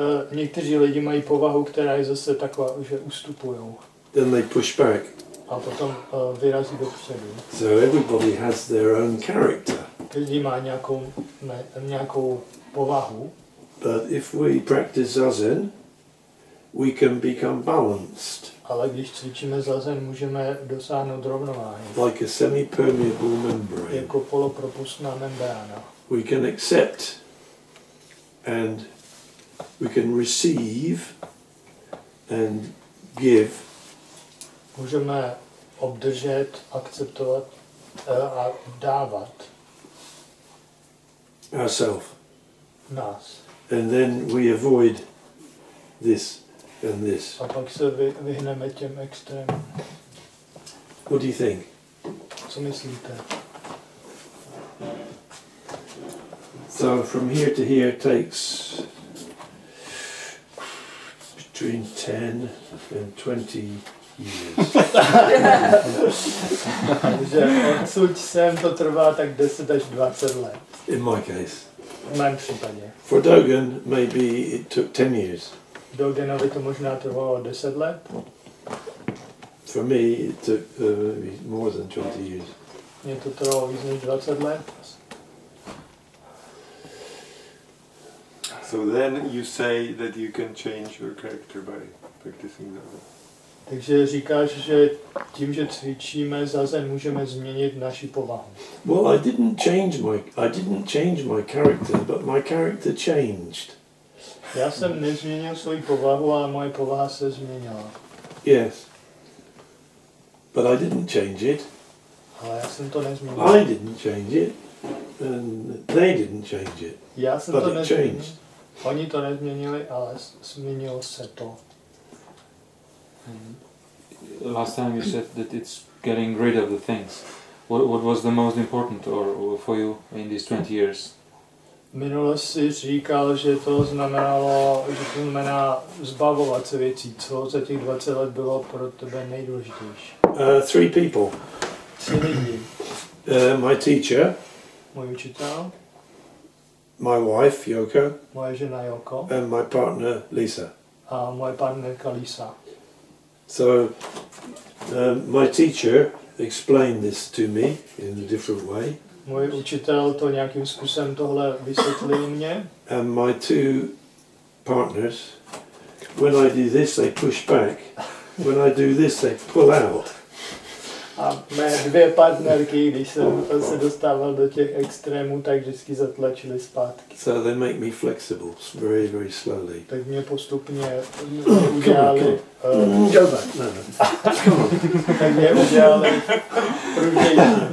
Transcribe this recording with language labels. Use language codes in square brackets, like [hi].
[cs] Někteří lidi mají povahu, která je zase taková, že ustupují. [en] Then they push back. [cs] A potom vyrazí dopředu. [en] So everybody has their own character. [cs] Každý má nějakou povahu. [en] But if we practice zazen, we can become balanced. [cs] Ale když cvičíme zazen, můžeme dosáhnout rovnováhy. [en] Like a semi-permeable membrane. [cs] Jako polopropustná membrána. [en] We can accept and we can receive and give. [cs] Můžeme obdržet, akceptovat a dávat. [en] Ourselves. [cs] Nás. [en] And then we avoid this and this. [cs] A pak se vyhneme těm extrémům. [en] What do you think? [cs] Co myslíte? [en] So from here to here takes between 10 and 20 years. [cs] Od sem to trvá tak 10 až 20 let. [en] In my case. [cs] V mém případě. [en] For Dogen, maybe it took 10 years. [cs] Dogenovi to možná trvalo 10 let. [en] For me, it took more than 20 years. [cs] Mně to trvalo víc než 20 let. [en] So then you say that you can change your character by practicing zazen. [cs] Takže říkáš, že tím, že cvičíme zazen, můžeme změnit naši povahu. [en] Well, I didn't change my character, but my character changed. [cs] Já jsem nezměnil svoji povahu, ale moje povaha se změnila. [en] Yes. But I didn't change it. [cs] Ale já jsem to nezměnil. [en] I didn't change it. And they didn't change it. [cs] Já jsem to nezměnil. Oni to nezměnili, ale změnilo se to. [en] Last time you said that it's getting rid of the things. What was the most important or for you in these 20 years? [cs] Minule jsi říkal, že to znamenalo, že to znamená zbavovat se věcí. Co za těch 20 let bylo pro tebe nejdůležitější? [en] Three people. [cs] Tři lidi. [en] My teacher. [cs] Můj učitel. [en] My wife, Yoko. [cs] Moje žena Yoko. [en] And my partner, Lisa. [cs] A moje partnerka Lisa. [en] So, my teacher explained this to me in a different way. [cs] Můj učitel to nějakým způsobem tohle vysvětlil mně. [en] And my two partners, when I do this, they push back. When I do this, they pull out. [cs] A mé dvě partnerky, když jsem se dostával do těch extrémů, tak vždycky zatlačili zpátky. [en] So they make me flexible, very, very slowly. [cs] Tak mě postupně udělali... [en] Come on. [cs] Tak mě udělali prudější.